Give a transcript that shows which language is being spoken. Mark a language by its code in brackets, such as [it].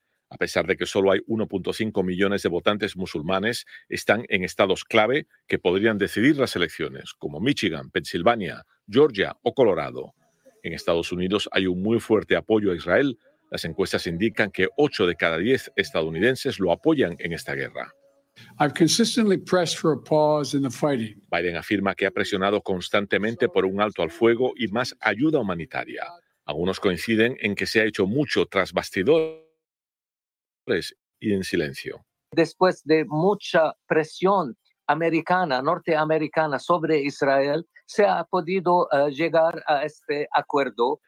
[es] A pesar de que solo hay 1.5 millones de votantes musulmanes, están en estados clave que podrían decidir las elecciones, como Michigan, Pensilvania, Georgia o Colorado. En Estados Unidos hay un muy fuerte apoyo a Israel. Las encuestas indican que 8 de cada 10 estadounidenses lo apoyan en esta guerra. [en] I've consistently pressed for a pause in the fighting. [es] Biden afirma que ha presionado constantemente por un alto al fuego y más ayuda humanitaria. Algunos coinciden en que se ha hecho mucho tras bastidores y en silencio. Después de mucha presión americana, norteamericana sobre Israel, se ha podido llegar a este acuerdo.